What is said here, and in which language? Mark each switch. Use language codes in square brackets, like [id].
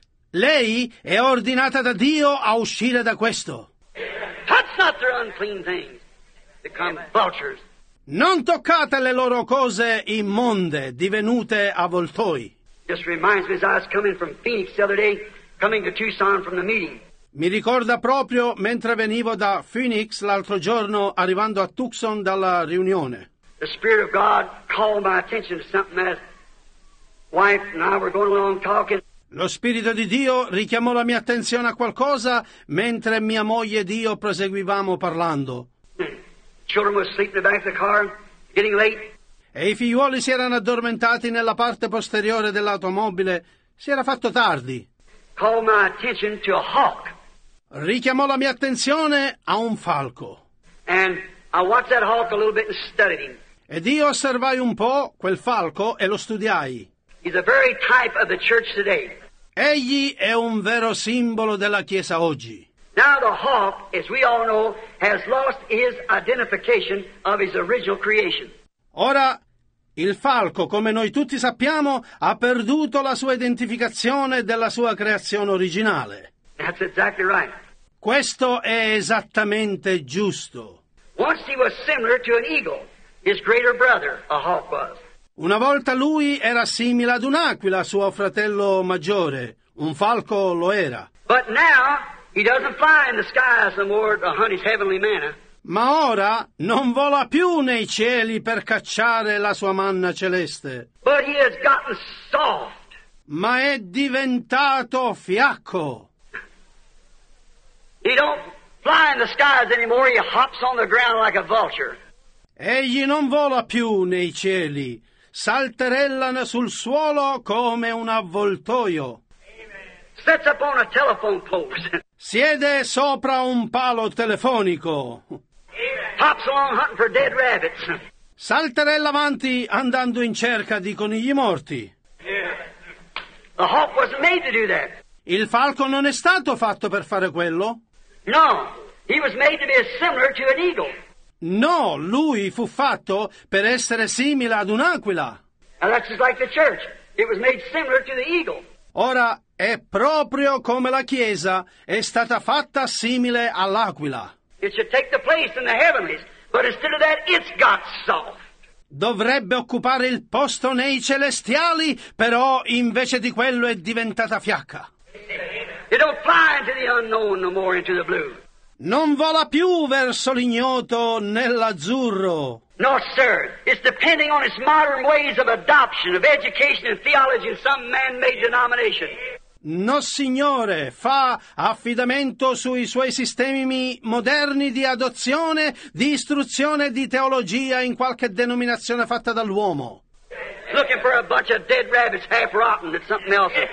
[it] Lei è ordinata da Dio a uscire da questo. [en] Touch not their unclean things. Become vultures. [it] Non toccate le loro cose immonde, divenute avvoltoi. [en] This reminds me as I was coming from Phoenix the other day, coming to Tucson from the meeting. [it] Mi ricorda proprio mentre venivo da Phoenix l'altro giorno, arrivando a Tucson dalla riunione. [en] The Spirit of God called my attention to something as wife and I were going along talking. [it] Lo Spirito di Dio richiamò la mia attenzione a qualcosa mentre mia moglie ed io proseguivamo parlando. [en] Children were sleeping in the back of the car, getting late. [it] E i figliuoli si erano addormentati nella parte posteriore dell'automobile. Si era fatto tardi. [en] Called my attention to a hawk. [it] Richiamò la mia attenzione a un falco. [en] And I watched that hawk a little bit and studied him. [it] Ed io osservai un po' quel falco e lo studiai. [en] He's a very type of the church today. [it] Egli è un vero simbolo della Chiesa oggi. [en] Now the hawk, as we all know, has lost his identification of his original creation. [it] Ora, il falco, come noi tutti sappiamo, ha perduto la sua identificazione della sua creazione originale. [en] That's exactly right. [it] Questo è esattamente giusto. [en] Once he was similar to an eagle, his greater brother, a hawk was. [it] Una volta lui era simile ad un'aquila, suo fratello maggiore. Un falco lo era. [en] But now he doesn't fly in the skies anymore to hunt his heavenly manna. [it] Ma ora non vola più nei cieli per cacciare la sua manna celeste. [en] But he has gotten soft. [it] Ma è diventato fiacco. [en] He don't fly in the skies anymore. He hops on the ground like a vulture. [it] Egli non vola più nei cieli. Salterella sul suolo come un avvoltoio. [en] Amen. Sits up on a telephone pole. [it] Siede sopra un palo telefonico. [en] Hops along hunting for dead rabbits. [it] Salterella avanti andando in cerca di conigli morti. [en] Yeah. The hawk wasn't made to do that. [it] Il falco non è stato fatto per fare quello. [en] No, he was made to be similar to an eagle. [it] No, lui fu fatto per essere simile ad un'aquila. [en] And that's just like the church. It was made similar to the eagle. [it] Ora è proprio come la Chiesa è stata fatta simile all'aquila. [en] It should take the place in the heavenlies, but instead of that, it's got soft. [it] Dovrebbe occupare il posto nei celestiali, però invece di quello è diventata fiacca. [en] It don't fly into the unknown no more, into the blue. [it] Non vola più verso l'ignoto nell'azzurro. [en] No, sir. It's depending on its modern ways of adoption, of education and theology in some man-made denomination. [it] No, signore, fa affidamento sui suoi sistemi moderni di adozione, di istruzione, di teologia in qualche denominazione fatta dall'uomo. [en] Looking for a bunch of dead rabbits half rotten, it's something else.